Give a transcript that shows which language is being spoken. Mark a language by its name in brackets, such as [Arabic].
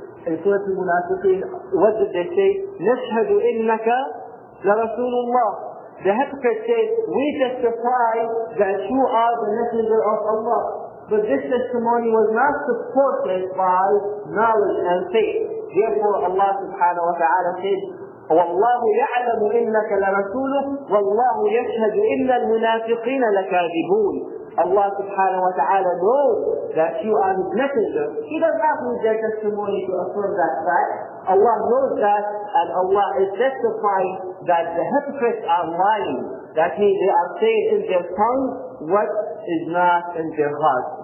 [English] In Surah Al-Munafiqun, what did they say? [Arabic] نَشْهَدُ إِنَّكَ لَرَسُولُ اللَّهِ. [English] The hypocrite says, we testify that you are the messenger of Allah. But this testimony was not supported by knowledge and faith. Therefore, Allah subhanahu wa ta'ala says, [Arabic] وَاللَّهُ يَعْلَمُ إِنَّكَ لَرَسُولُهُ وَاللَّهُ يَشْهَدُ إِنَّ الْمُنَافِقِينَ لَكَاذِبُونَ. [English] Allah subhanahu wa ta'ala knows that you are his messenger. He does not need their testimony to affirm that fact. Allah knows that, and Allah is testifying that the hypocrites are lying. That means they are saying in their tongue what is not in their heart.